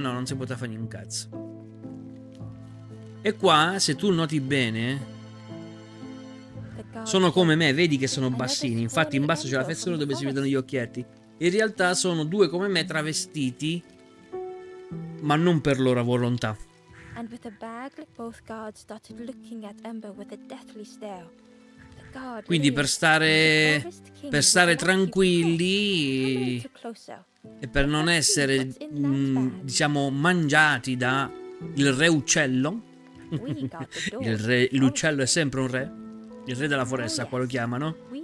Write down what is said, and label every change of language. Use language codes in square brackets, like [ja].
[it] No, non si poteva fare niente, cazzo. E qua, se tu noti bene, sono come me, vedi che sono bassini. Infatti in basso c'è la fessura dove si vedono gli occhietti. In realtà sono due come me travestiti, ma non per loro volontà. [en] And with a bag, both guards started looking at Ember with a deathly stare. [it] Quindi per stare tranquilli e per non essere diciamo mangiati da il re uccello. L'uccello è sempre un re, il re della foresta qua lo chiamano.